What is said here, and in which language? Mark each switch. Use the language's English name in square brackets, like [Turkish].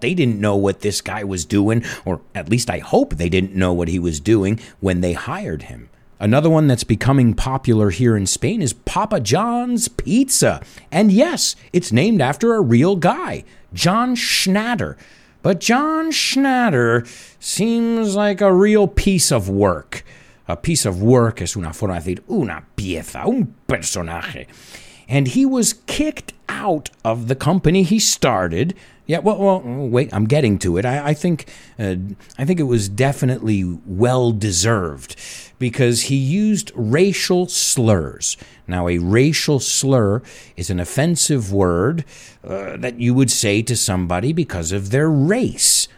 [English] They didn't know what this guy was doing, or at least I hope they didn't know what he was doing when they hired him. Another one that's becoming popular here in Spain is Papa John's Pizza. And yes, it's named after a real guy, John Schnatter. But John Schnatter seems like a real piece of work. A piece of work [Spanish] es una forma de decir una pieza, un personaje. [English] And he was kicked out of the company he started. Yeah, wait, I'm getting to it. I think it was definitely well-deserved because he used racial slurs. Now, a racial slur is an offensive word that you would say to somebody because of their race.